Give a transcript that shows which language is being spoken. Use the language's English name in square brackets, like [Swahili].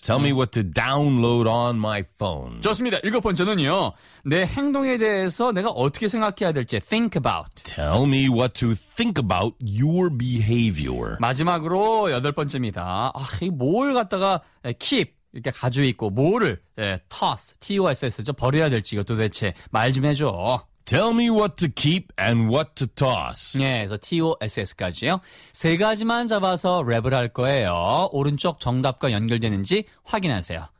[English] Tell me what to download on my phone. [Korean] 좋습니다. 일곱 번째는요. 내 행동에 대해서 내가 어떻게 생각해야 될지. [English] Think about. Tell me what to think about your behavior. [Korean] 마지막으로 여덟 번째입니다. 아, 뭘 갖다가 keep. 이렇게 가지고 있고. 뭐를 toss. T-O-S-S죠. 버려야 될지. 이거 도대체 말 좀 해줘. [English] Tell me what to keep and what to toss. [Korean] 네, 그래서 TOSS까지요. 세 가지만 잡아서 랩을 할 거예요. 오른쪽 정답과 연결되는지 확인하세요.